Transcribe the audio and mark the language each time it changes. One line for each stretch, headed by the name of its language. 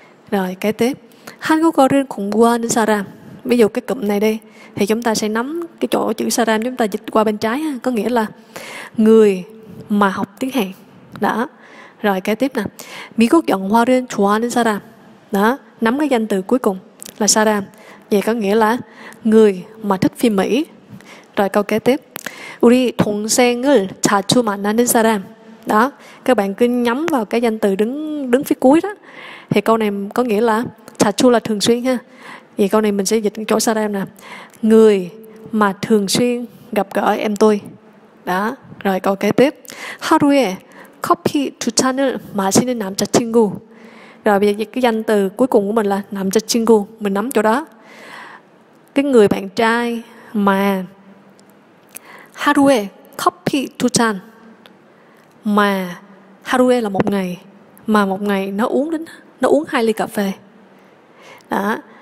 Vietnamese: Rồi kế tiếp,
Korean: 한국어를 공부하는 사람.
Vietnamese: Ví dụ cái cụm này đây thì chúng ta sẽ nắm cái chỗ chữ 사람 chúng ta dịch qua bên trái ha, có nghĩa là người mà học tiếng Hàn. Đó. Rồi kế tiếp nè,
Korean: 미국 영화를 좋아하는 사람.
Vietnamese: Đó, nắm cái danh từ cuối cùng là 사람. Vậy có nghĩa là người mà thích phim Mỹ. Rồi câu kế tiếp,
Korean: 우리 동생을 자주 만나는 사람.
Vietnamese: Đó, các bạn cứ nhắm vào cái danh từ đứng phía cuối đó. Thì câu này có nghĩa là 자주 là thường xuyên ha. Vậy câu này mình sẽ dịch chỗ 사람 nè, người mà thường xuyên gặp gỡ em tôi. Đó, rồi câu kế tiếp,
Korean: 하루에 커피 두 잔을 마시는 남자친구.
Vietnamese: Rồi bây giờ cái danh từ cuối cùng của mình là 남자친구. Mình nắm chỗ đó. Cái người bạn trai mà
Korean: 하루에 커피 두 잔.
Vietnamese: Mà 하루에 là một ngày. Mà một ngày nó uống hai ly cà phê. Đó.